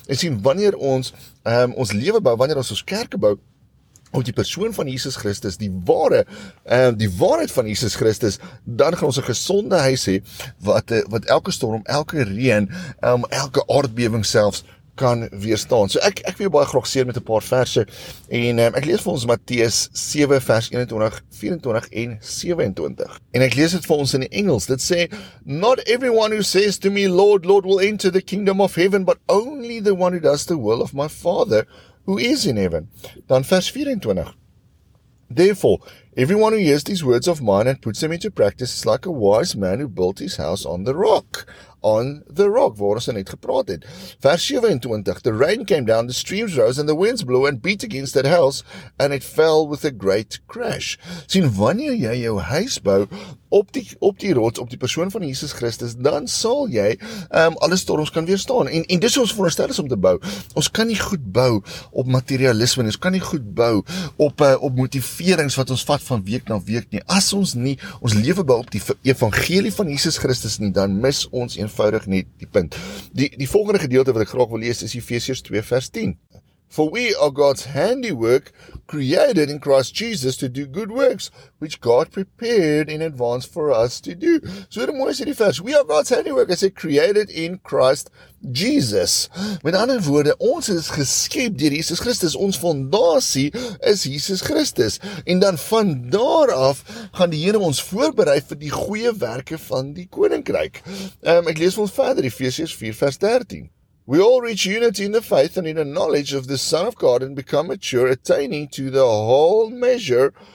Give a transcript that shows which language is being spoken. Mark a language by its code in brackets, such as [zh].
[af] En sien, wanneer ons ons lewe bou, wanneer ons kerke bou, op die persoon van Jesus Christus, die waarheid van Jesus Christus, dan gaan ons 'n gesonde huis hê, wat elke storm, elke reën, elke aardbewing selfs, kan weerstaan. So ek wil baie graag seën met 'n paar verse, en ek lees vir ons Matteus 7 vers 21, 24 en 27. [en] En ek lees dit vir ons in die Engels, dit sê, Not everyone who says to me, Lord, Lord, will enter the kingdom of heaven, but only the one who does the will of my Father, who is in heaven. Dan vers 24. Therefore, everyone who hears these words of mine and puts them into practice is like a wise man who built his house on the rock. [af] On the rock, waar ons net gepraat het. Vers 27. [en] The rain came down, the streams rose, and the winds blew and beat against that house, and it fell with a great crash. [af] Sien, wanneer jy jou huis bou op die rots, op die persoon van Jesus Christus, dan sal jy alle storms kan weerstaan. En dis ons voorstel is om te bou. Ons kan nie goed bou op materialisme, ons kan nie goed bou op motiverings wat ons vat van week na week nie. As ons nie ons lewe bou op die evangelie van Jesus Christus nie, dan mis ons eenvoudig net die punt. Die volgende gedeelte wat ek graag wil lees is Efesiërs 2 vers 10. [en] For we are God's handiwork created in Christ Jesus to do good works, which God prepared in advance for us to do. So dit mooi is hierdie vers. We are God's handiwork, as it created in Christ Jesus. [af] Met ander woorde, ons is geskep deur Jesus Christus. Ons fondasie is Jesus Christus. En dan van daar af gaan die Here ons voorberei vir die goeie werke van die Koninkryk. Ek lees ons verder, Efesiërs 4 vers 13. [en] We all reach unity in the faith and in the knowledge of the Son of God and become mature, attaining to the whole measure